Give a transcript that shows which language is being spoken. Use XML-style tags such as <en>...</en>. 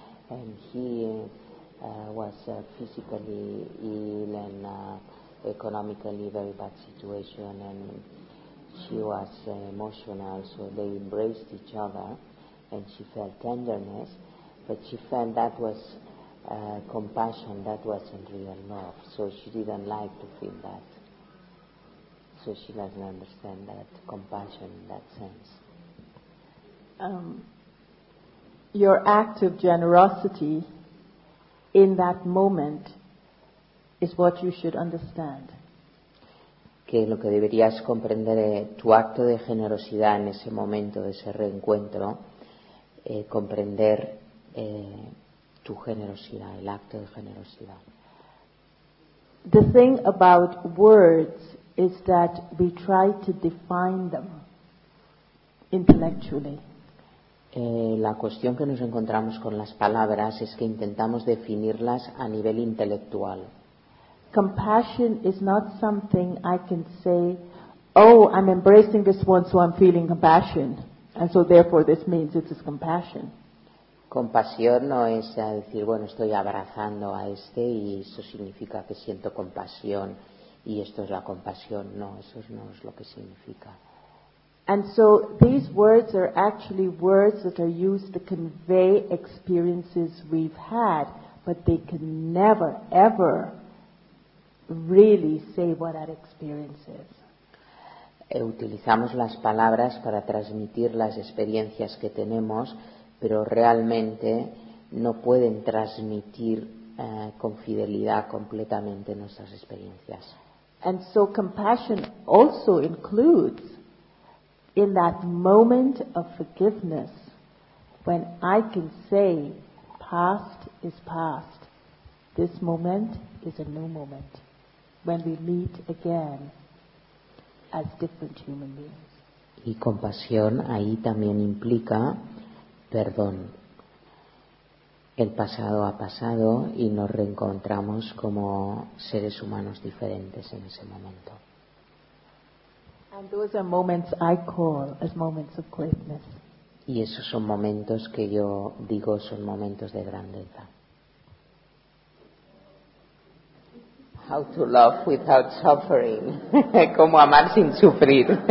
<en>And he was physically ill and economically very bad situation, and she was emotional, so they embraced each other and she felt tenderness, but she felt that was compassion, that wasn't real love, so she didn't like to feel that, so she doesn't understand that compassion in that sense. Your act of generosity in that moment is what you should understand.</en> <es>Que lo que deberías comprender es tu acto de generosidad en ese momento de ese reencuentro, comprender tu generosidad, el acto de generosidad.</es> <en>The thing about words is that we try to define them intellectually.</en> <es>La cuestión que nos encontramos con las palabras es que intentamos definirlas a nivel intelectual.</es> <en>Compassion is not something I can say, oh, I'm embracing this one, so I'm feeling compassion, and so therefore this means it is compassion.</en> <es>Compasión no es decir, bueno, estoy abrazando a este y eso significa que siento compasión y esto es la compasión. No, eso no es lo que significa.</es> <en>And so these words are actually words that are used to convey experiences we've had, but they can never, ever really say what that experience is.</en> <es>Utilizamos las palabras para transmitir las experiencias que tenemos, pero realmente no pueden transmitir con fidelidad completamente nuestras experiencias.</es> <en>And so compassion also includes in that moment of forgiveness when I can say past is past, this moment is a new moment, when we meet again as different human beings.</en> <es>Y compasión ahí también implica perdón. El pasado ha pasado y nos reencontramos como seres humanos diferentes en ese momento.</es> <en>And those are moments I call as moments of greatness.</en> <es>Y esos son momentos que yo digo son momentos de grandeza.</es> <en>How to love without suffering.</en> <es>Cómo amar sin sufrir.</es>